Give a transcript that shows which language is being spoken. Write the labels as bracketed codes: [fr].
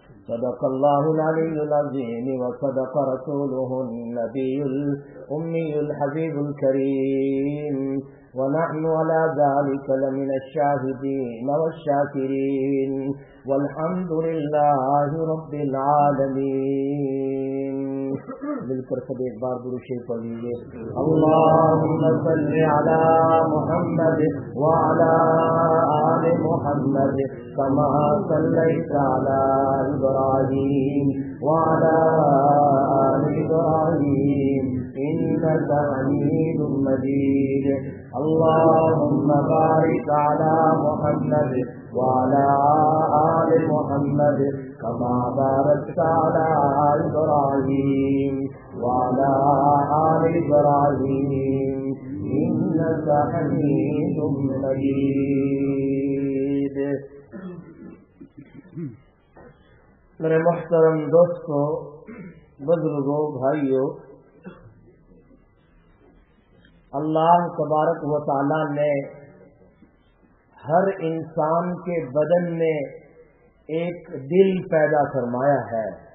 [ar] صدق الله العلي العظيم وصدق رسوله النبي الأمي الحبيب الكريم ونحن على ذلك لمن الشاهدين والشاكرين والحمد لله رب العالمين. [ur] بالکر سب ایک بار گرو شریف پڑھ لیجیے. [ar] اللهم صل على محمد وعلى آل محمد كما صليت على إبراهيم وعلى آل إبراهيم إنك حميد مجيد. اللهم بارك على محمد وعلى آل محمد كما باركت على إبراهيم وعلى آل إبراهيم إنك حميد مجيد. [ur] میرے محترم دوستو, بزرگو, بھائیو, اللہ تبارک و تعالی نے ہر انسان کے بدن میں ایک دل پیدا فرمایا ہے.